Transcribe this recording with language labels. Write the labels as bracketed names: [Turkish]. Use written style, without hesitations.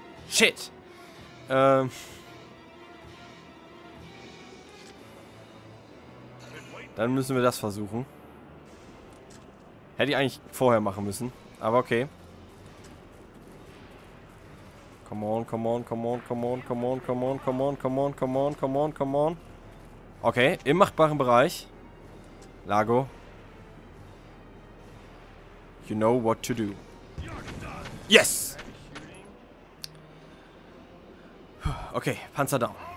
[German] Shit. Dann müssen wir das versuchen. Hätte ich eigentlich vorher machen müssen. Aber okay. [English] Come on, come on, come on, come on, come on, come on, come on, come on, come on, come on, come on. [German] Okay, im machbaren Bereich. Lago. [English] You know what to do. Yes! Okay, Panzer down.